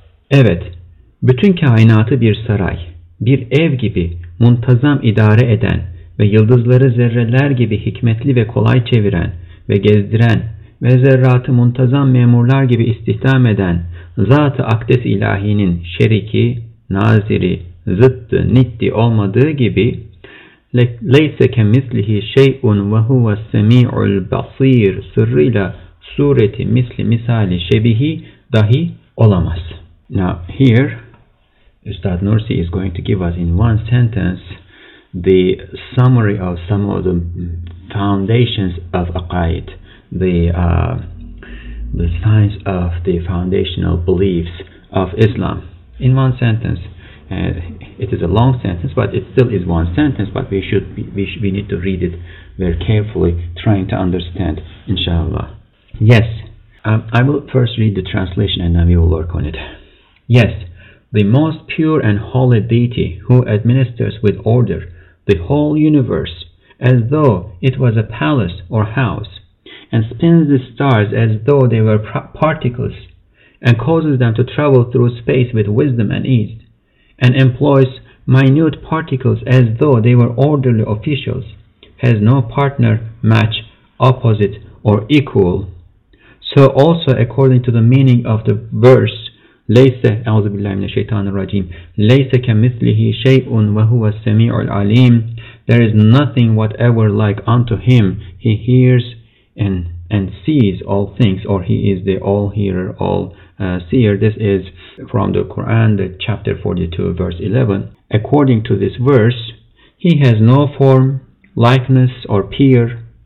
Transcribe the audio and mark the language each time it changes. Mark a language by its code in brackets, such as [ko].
[tr] Evet, bütün kainatı bir saray, bir ev gibi muntazam idare eden ve yıldızları zerreler gibi hikmetli ve kolay çeviren ve gezdiren ve zerratı muntazam memurlar gibi istihdam eden Zat-ı Akdes İlahi'nin şeriki, naziri, zıttı, niddi olmadığı gibi [ar] leyse kemislihi şey'un ve huve semî'ul basîr [tr] sırrıyla sureti misli misali şebihi dahi olamaz. [en] Now here, Üstad Nursi is going to give us in one sentence the summary of some of the foundations of aqaid, the signs of the foundational beliefs of Islam in one sentence. It is a long sentence, but it still is one sentence, but we need to read it very carefully, trying to understand, inshallah. Yes, I will first read the translation and then we will work on it. Yes, the most pure and holy deity who administers with order the whole universe as though it was a palace or house, and spins the stars as though they were particles, and causes them to travel through space with wisdom and ease, and employs minute particles as though they were orderly officials, has no partner, match, opposite, or equal. So also, according to the meaning of the verse, [ar] لَيْسَ أَعْوذُ بِاللَّهِ مِنَ الشَّيْطَانِ الرَّجِيمِ لَيْسَ كَمِثْلِهِ شَيْءٌ وَهُوَ السَّمِيعُ الْعَلِيمُ. [en] There is nothing whatever like unto him. He hears and sees all things, or he is the all-hearer, all-seer. This is from the Quran, the chapter 42, verse 11. According to this verse, he has no form, likeness, or peer.